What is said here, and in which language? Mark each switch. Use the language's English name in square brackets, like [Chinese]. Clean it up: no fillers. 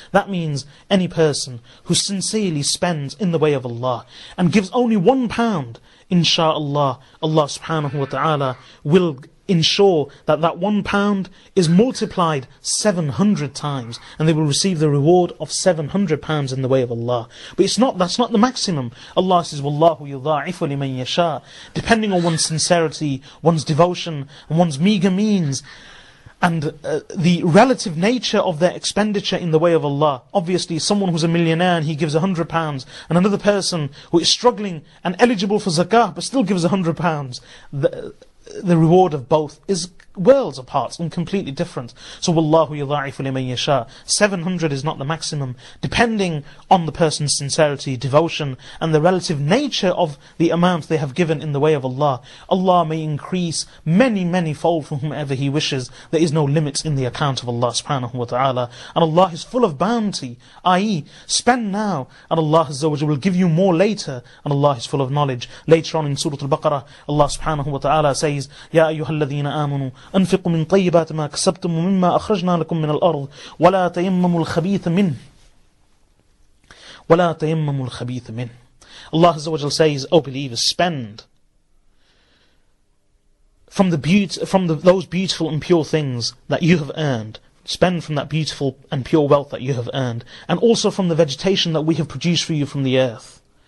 [English] That means any person who sincerely spends in the way of Allah and gives only £1, insha'Allah, Allah subhanahu wa ta'ala will ensure that £1 is multiplied 700 times, and they will receive the reward of £700 in the way of Allah. But that's not the maximum. [Arabic] Allah says, وَاللَّهُ يُضَاعِفُ لِمَنْ يَشَاءُ. [English] Depending on one's sincerity, one's devotion, and one's meager means, and the relative nature of their expenditure in the way of Allah. Obviously, someone who's a millionaire and he gives £100, and another person who is struggling and eligible for zakah but still gives £100, the reward of both is worlds apart and completely different. [Arabic] So, وَاللَّهُ يُضَاعِفُ لِمَنْ يَشَاءُ. [English] 700 is not the maximum. Depending on the person's sincerity, devotion, and the relative nature of the amount they have given in the way of Allah, Allah may increase many, many fold from whomever He wishes. There is no limit in the account of Allah subhanahu wa ta'ala. And Allah is full of bounty, i.e., spend now, and Allah Azza wa Jalla will give you more later. And Allah is full of knowledge. Later on in Surah Al-Baqarah, Allah subhanahu wa ta'ala says, [Arabic] يَا أَيُّهَا الَّذِينَ آمَنُوا أنفقوا من طيبات ما كسبتم ومما أخرجنا لكم من الأرض ولا تيمموا الخبيث منه ولا تيمموا الخبيث منه. [English] Allah Azza wa Jalla says, O believers, spend from those beautiful and pure things that you have earned. Spend from that beautiful and pure wealth that you have earned, and also from the vegetation that we have produced for you from the earth.